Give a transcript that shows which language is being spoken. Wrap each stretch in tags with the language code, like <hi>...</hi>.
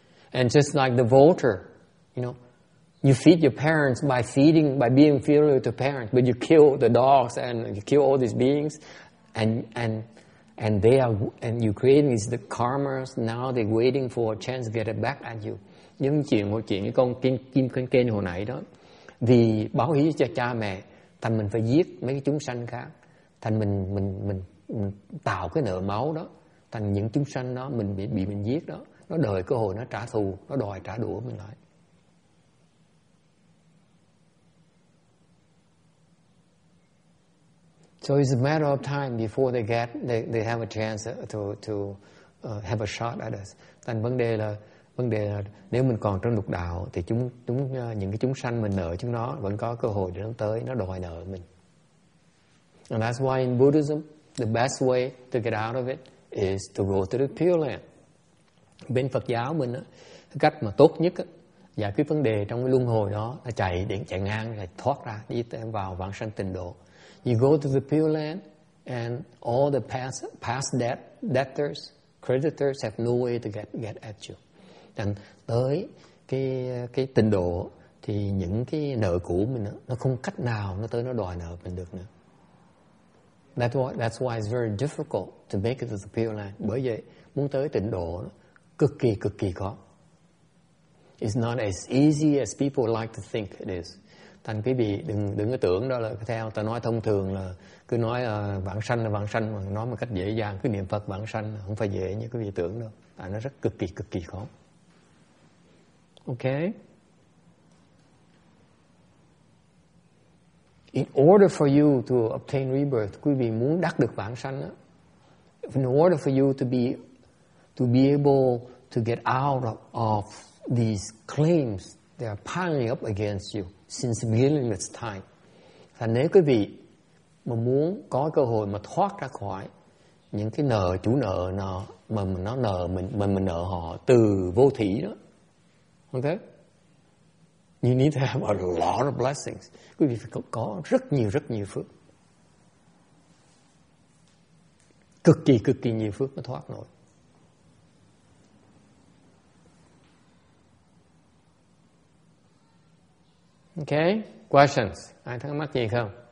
<en>And just like the vulture, you know, you feed your parents by being inferior to parents, but you kill the dogs and you kill all these beings. And they are, and you create is the karma. Now they waiting for a chance to get it back at you.</en> <vi>Những chuyện một chuyện cái con kim kênh kênh hồi nãy đó, vì báo hiếu cho cha mẹ, thành mình phải giết mấy cái chúng sanh khác, thành mình tạo cái nợ máu đó, thành những chúng sanh đó mình bị mình giết đó, nó đợi cơ hội nó trả thù, nó đòi trả đũa mình lại.</vi> <en>So it's a matter of time before they get they have a chance to have a shot at us.</en> <vi>Thành vấn đề là nếu mình còn trong lục đạo thì chúng những cái chúng sanh mình nợ chúng nó vẫn có cơ hội để nó tới, nó đòi nợ mình.</vi> <en>And that's why in Buddhism the best way to get out of it is to go to the Pure Land.</en> <vi>Bên Phật giáo mình á, cách mà tốt nhất á, giải quyết vấn đề trong cái luân hồi đó là chạy ngang rồi thoát ra đi vào vãng sanh tịnh độ.</vi> <en>You go to the Pure Land and all the past debtors, creditors have no way to get at you.</en> <vi>Thành tới cái tịnh độ thì những cái nợ cũ mình nó không cách nào nó tới nó đòi nợ mình được nữa.</vi> <en>That's why it's very difficult to make it to the Pure Land.</en> <vi>Bởi vậy muốn tới tịnh độ cực kỳ khó.</vi> <en>It's not as easy as people like to think it is.</en> <vi>Thành quý vị đừng có tưởng đó là theo ta nói thông thường là cứ nói vãng sanh là vãng sanh, mà nói một cách dễ dàng, cứ niệm Phật vãng sanh không phải dễ như quý vị tưởng đâu. Tại nó rất cực kỳ khó. Okay.</vi> <en>In order for you to obtain rebirth,</en> <vi>quý vị muốn đắc được vãng sanh á,</vi> <en>in order for you to be able to get out of these claims that are piling up against you since the beginning of time.</en> <vi>Và nếu quý vị mà muốn có cơ hội mà thoát ra khỏi những cái nợ chủ nợ nó mà nó nợ mình nợ họ từ vô thủy đó.</vi> <en>Ok? You need to have a lot of blessings.</en> <vi>Quý vị phải có rất nhiều phước. Cực kỳ nhiều phước mới thoát nổi.</vi> <en>Okay, questions.</en> <vi>Ai thắc mắc gì không?</vi>